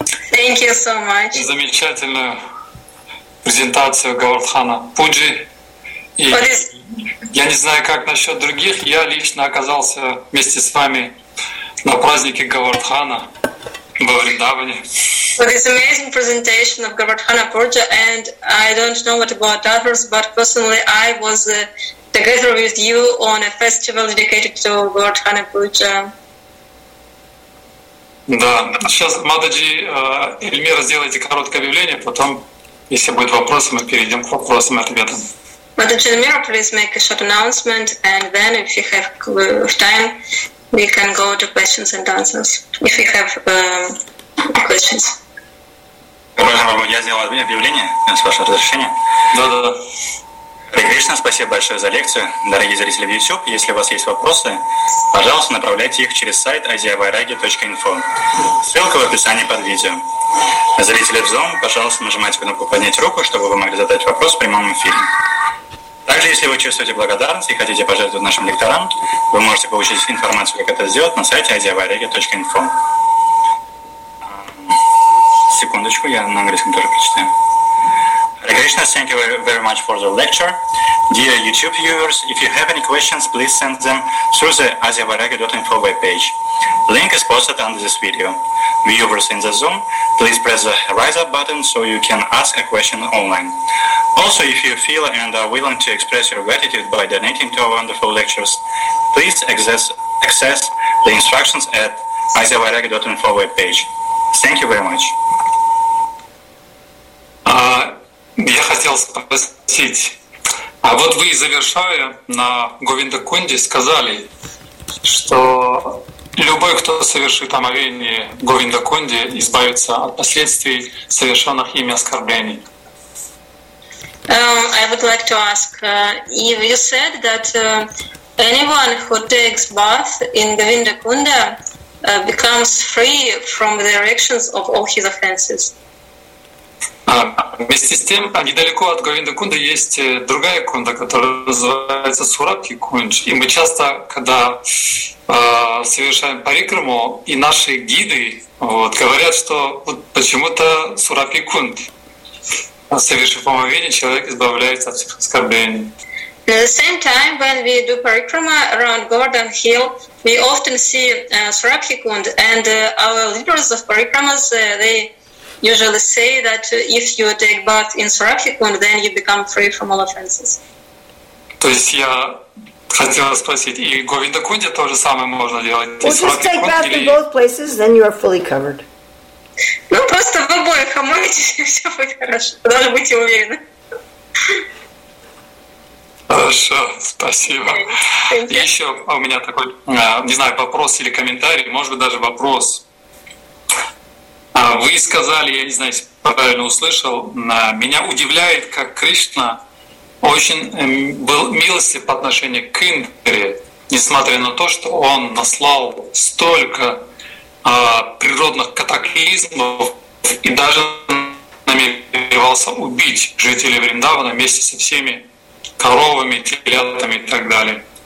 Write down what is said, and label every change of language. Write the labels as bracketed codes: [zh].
[en] Thank you so much. [ru] Замечательную презентацию Говардхана Пуджи. И я не знаю, как насчет других, я лично оказался вместе с вами на празднике Говардхана во Вриндаване. [en] For this amazing presentation of Govardhana Puja, and I don't know what about others, but personally I was together with you on a festival dedicated to Govardhana Puja. [ru] Да, сейчас Мададжи, Эльмира, сделайте короткое объявление, потом, если будет вопросы, мы перейдем к вопросам и ответам. [en] Мададжи, Эльмира, please make a short announcement, and then if you have time, we can go to questions and answers, if you have questions. [ru] Я сделал объявление, с вашего разрешения. Да. Хари Кришна, спасибо большое за лекцию. Дорогие зрители в YouTube, если у вас есть вопросы, пожалуйста, направляйте их через сайт asiavairagya.info. Ссылка в описании под видео. Зрители в Zoom, пожалуйста, нажимайте кнопку «Поднять руку», чтобы вы могли задать вопрос в прямом эфире. Также, если вы чувствуете благодарность и хотите пожертвовать нашим лекторам, вы можете получить информацию, как это сделать, на сайте asiavairagya.info. Секундочку, я на английском тоже прочитаю. [en] Hare Krishna, thank you very much for the lecture. Dear YouTube viewers, if you have any questions, please send them through the asiavairagya.info webpage. Link is posted under this video. Viewers in the Zoom, please press the Rise Up button so you can ask a question online. Also, if you feel and are willing to express your gratitude by donating to our wonderful lectures, please access the instructions at asiavairagya.info webpage. Thank you very much. [ru] Я хотел спросить, а вот вы, завершая на Говинда Кунде, сказали, что любой, кто совершит омовение Говинда Кунде, избавится от последствий совершенных ими оскорблений. [en] I would like to ask, if you said that anyone who takes bath in Govinda Kunda becomes free from the erections of all his offenses. [ru] Вместе с тем, недалеко от Говинда Кунда есть другая кунда, которая называется Суратхи Кунж. И мы часто, когда совершаем парикраму, и наши гиды вот, говорят, что вот, почему-то Суратхи Кунд, совершив омовение, человек избавляется от всех оскорблений. [en] At the same time, when we do parikrama around Govardhan Hill, we often see Suratthi Kund, and our leaders of parikramas, they usually say that if you take bath in Suratthi Kund, then you become free from all offenses. [ru] То есть я хотел спросить, и Говинда Кунде то же самое можно делать? [en] Well, just take bath in both places, then you are fully covered. [ru] Ну, просто в обоих омойтесь, и все будет хорошо. Даже будьте уверены. Хорошо, спасибо. Еще у меня такой, не знаю, вопрос или комментарий, может быть, даже вопрос. Вы сказали, я не знаю, правильно услышал, меня удивляет, как Кришна очень был милостив по отношению к Индре, несмотря на то, что он наслал столько природных катаклизмов и даже намеревался убить жителей Вриндавана вместе со всеми коровами, телятами и так далее.